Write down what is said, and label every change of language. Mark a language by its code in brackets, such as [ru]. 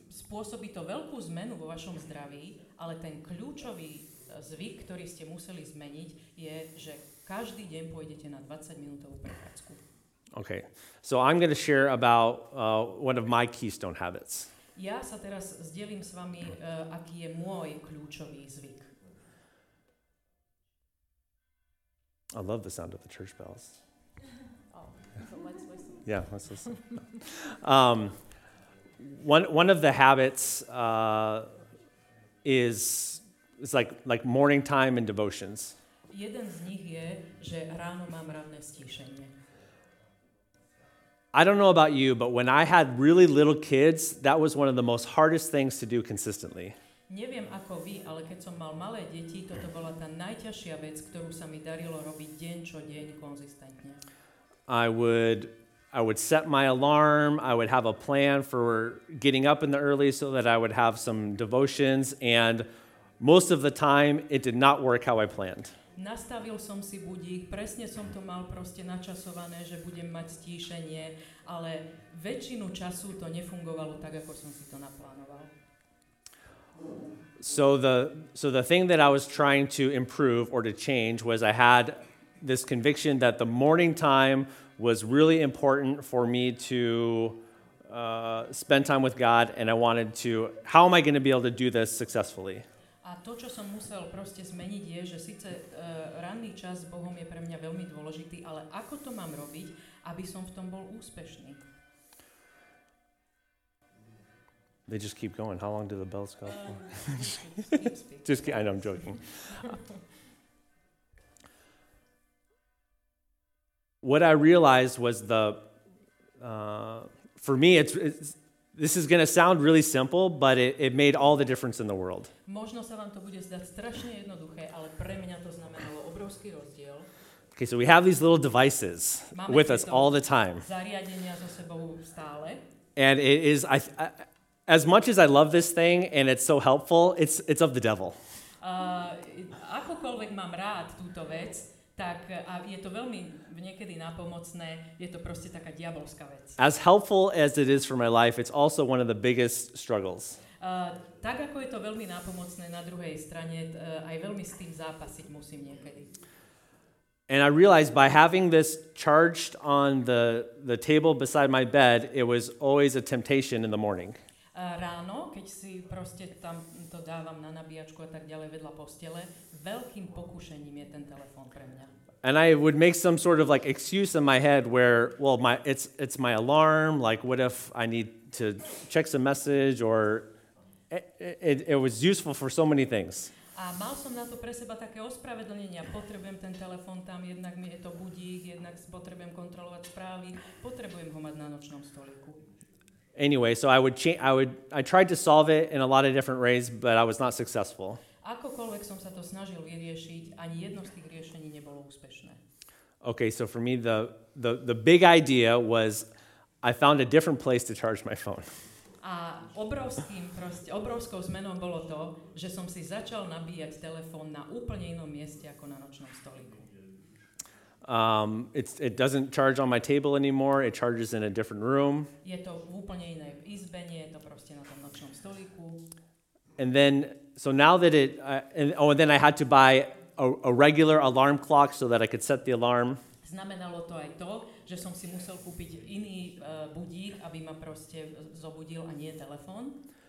[sk] Spôsobí to veľkú zmenu vo vašom zdraví, ale ten kľúčový zvyk, ktorý ste museli zmeniť, je, že každý deň pôjdete na 20-minútovú prechádzku. [en] Okay. So I'm going to share about one of my keystone habits. [sk] Ja sa teraz zdelím s vami, aký je môj kľúčový zvyk. [en] I love the sound of the church bells. Oh, yeah. So let's listen. One of the habits is like morning time and devotions. [sk] Jeden z nich je, že ráno mám ranné stíšenie. [en] I don't know about you, but when I had really little kids, that was one of the most hardest things to do consistently. [sk] Neviem ako vy, ale keď som mal malé deti, toto bola tá najťažšia vec, ktorú sa mi darilo robiť deň čo deň konzistentne. [en] I would set my alarm, I would have a plan for getting up in the early so that I would have some devotions, and most of the time it did not work how I planned. [sk] Nastavil som si budík, presne som to mal proste načasované, že budem mať stíšenie, ale väčšinu času to nefungovalo tak, ako som si to naplánoval. [en] So the thing that I was trying to improve or to change was I had this conviction that the morning time was really important for me to spend time with God, and I wanted to, how am I going to be able to do this successfully? [sk] A to, čo som musel proste zmeniť, je, že síce ranný čas s Bohom je pre mňa veľmi dôležitý, ale ako to mám robiť, aby som v tom bol úspešný? [en] They just keep going. How long do the bells go for? Just keep, I know, I'm joking. What I realized was the, for me, it's this is going to sound really simple, but it made all the difference in the world. [sk] Možno sa vám to bude zdať strašne jednoduché, ale pre mňa to znamenalo obrovský rozdiel. [en] Okay, so we have these little devices [sk] máme [en] with us all the time. [sk] Zariadenia so sebou stále. [en] And it is, I, as much as I love this thing and it's so helpful, it's of the devil. [sk] Akokoľvek mám rád túto vec, tak a je to veľmi niekedy napomocné, je to proste taká diabolská vec. [en] As helpful as it is for my life, it's also one of the biggest struggles. [sk] Tak ako je to veľmi napomocné, na druhej strane aj veľmi s tým zápasiť musím niekedy. [en] And I realized by having this charged on the table beside my bed, it was always a temptation in the morning. [sk] ráno, keď si proste tam to dávam na nabíjačku a tak ďalej vedľa postele, veľkým pokušením je ten telefón pre mňa. [en] And I would make some sort of like excuse in my head where, well, my it's my alarm, like what if I need to check some message, or it was useful for so many things. [sk] A mal som na to pre seba také ospravedlnenia. Potrebujem ten telefón tam, jednak mi je to budík, jednak potrebujem kontrolovať správy, potrebujem ho mať na nočnom stoliku. [en] Anyway, so I tried to solve it in a lot of different ways, but I was not successful. [sk] Akokoľvek som sa to snažil vyriešiť, ani jedno z tých riešení nebolo úspešné. [en] Okay, so for me the big idea was I found a different place to charge my phone. [sk] A obrovskou zmenou bolo to, že som si začal nabíjať telefón na úplne inom mieste ako na nočnom stoliku. [en] It doesn't charge on my table anymore, it charges in a different room. [sk] Je to v úplne inej izbe, nie je to proste na tom nočnom stoliku. [en] And then, so now that it, and then I had to buy a regular alarm clock so that I could set the alarm. [sk] Znamenalo to aj to, že som si musel kúpiť iný budík, aby ma proste zobudil a nie telefón.